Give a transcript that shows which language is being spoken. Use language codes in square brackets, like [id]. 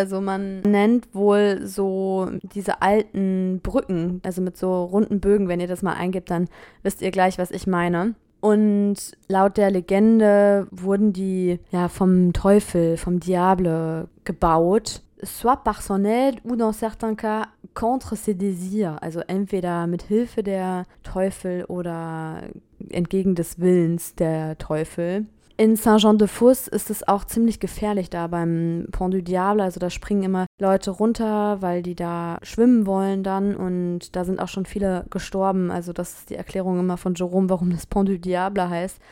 [de] Also man nennt wohl so diese alten Brücken, also mit so runden Bögen. Wenn ihr das mal eingibt, dann wisst ihr gleich, was ich meine. Und laut der Legende wurden die ja vom Teufel, vom Diable gebaut. [fr] Soit par son aide ou dans certains cas contre ses désirs. [de] Also entweder mit Hilfe der Teufel oder entgegen des Willens der Teufel. In Saint-Jean-de-Fuz ist es auch ziemlich gefährlich da beim Pont du Diable. Also da springen immer Leute runter, weil die da schwimmen wollen dann. Und da sind auch schon viele gestorben. Also das ist die Erklärung immer von Jerome, warum das Pont du Diable heißt.